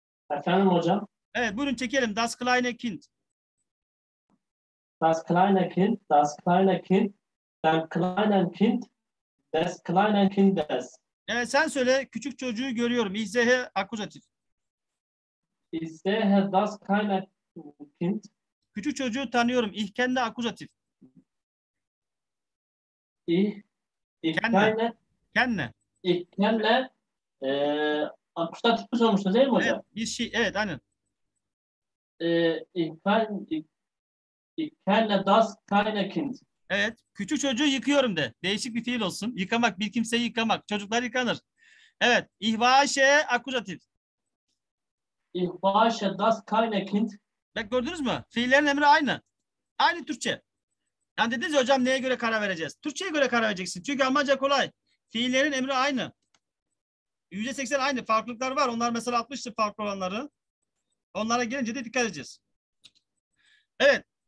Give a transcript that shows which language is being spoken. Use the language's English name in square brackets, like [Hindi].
[Turkish] Efendim hocam. Evet. Buyurun çekelim. [German] Das kleine Kind. Das kleine Kind. Das kleine Kind. Der kleine Kind. Des kleine Kindes. [Turkish] Evet. Sen söyle. Küçük çocuğu görüyorum. [German] Ich sehe akkusativ. Ich sehe das kleine Kind. [Turkish] Küçük çocuğu tanıyorum. [German] Ich kenne akkusativ. Ich kenne [Turkish] akustatif mi sormuştu değil mi hocam? Evet, bir şey, evet aynen. [German] Ich kenne das kleine Kind. [Turkish] Evet, küçük çocuğu yıkıyorum de. Değişik bir fiil olsun. Yıkamak, bir kimseyi yıkamak. Çocuklar yıkanır. Evet, [German] ich wasche akustatif. Ich wasche das kleine Kind. [Turkish] Bak gördünüz mü? Fiillerin emri aynı. Aynı Türkçe. Yani dediniz ya, hocam neye göre karar vereceğiz? Türkçe'ye göre karar vereceksin. Çünkü Almanca kolay. Fiillerin emri aynı. %80 aynı. Farklılıklar var. Onlar mesela 60'tır farklı olanları. Onlara gelince de dikkat edeceğiz. Evet.